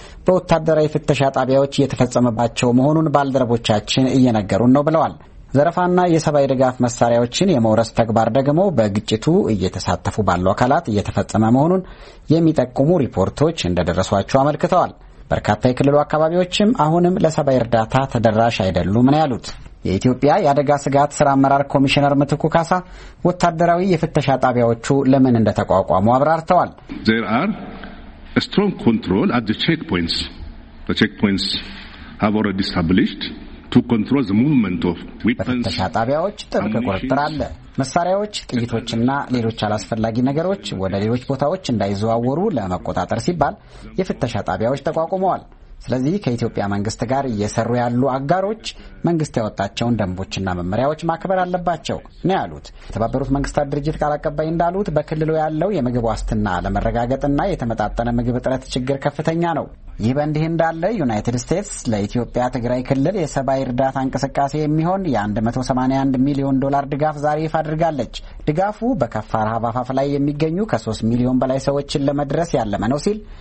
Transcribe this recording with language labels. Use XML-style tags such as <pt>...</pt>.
<am>በወታደራዊ ፍተሻ ጣቢያዎች እየተፈጸመባቸው መሆኑን ባልደረቦቻችን እየነገሩን ነው ብለዋል። ዘረፋና የሰብአዊ ድጋፍ መሳሪያዎችን የመውረስ ተግባር ደግሞ በግጭቱ እየተሳተፉ ባሉ አካላት እየተፈጸመ መሆኑን የሚጠቁሙ ሪፖርቶች እንደደረሷቸው አመልክተዋል። በርካታ የክልሉ አካባቢዎችም አሁንም ለሰብአዊ እርዳታ ተደራሽ አይደሉም ነው ያሉት። የኢትዮጵያ የአደጋ ስጋት ስራ አመራር ኮሚሽነር ምትኩ ካሳ ወታደራዊ የፍተሻ ጣቢያዎቹ ለምን እንደተቋቋሙ አብራርተዋል።</am> <en>There are a strong control at the checkpoints. The checkpoints have already established to control the movement of weapons.</en> <am>በፍተሻ ጣቢያዎች ጥብቅ ቁጥጥር አለ። መሳሪያዎች፣ ጥይቶችና ሌሎች አላስፈላጊ ነገሮች ወደ ሌሎች ቦታዎች እንዳይዘዋወሩ ለመቆጣጠር ሲባል የፍተሻ ጣቢያዎች ተቋቁመዋል። ስለዚህ ከኢትዮጵያ መንግስት ጋር እየሰሩ ያሉ አጋሮች መንግስት ያወጣቸውን ደንቦችና መመሪያዎች ማክበር አለባቸው ነው ያሉት። የተባበሩት መንግስታት ድርጅት ቃል አቀባይ እንዳሉት በክልሉ ያለው የምግብ ዋስትና ለመረጋጋትና የተመጣጠነ ምግብ እጥረት ችግር ከፍተኛ ነው። ይህ በእንዲህ እንዳለ ዩናይትድ ስቴትስ ለኢትዮጵያ ትግራይ ክልል የሰብአዊ እርዳታ እንቅስቃሴ የሚሆን የ181 ሚሊዮን ዶላር ድጋፍ ዛሬ ይፋ አድርጋለች። ድጋፉ በከፋ ረሃብ አፋፍ ላይ የሚገኙ ከ3 ሚሊዮን በላይ ሰዎችን ለመድረስ ያለመ ነው ሲል</am>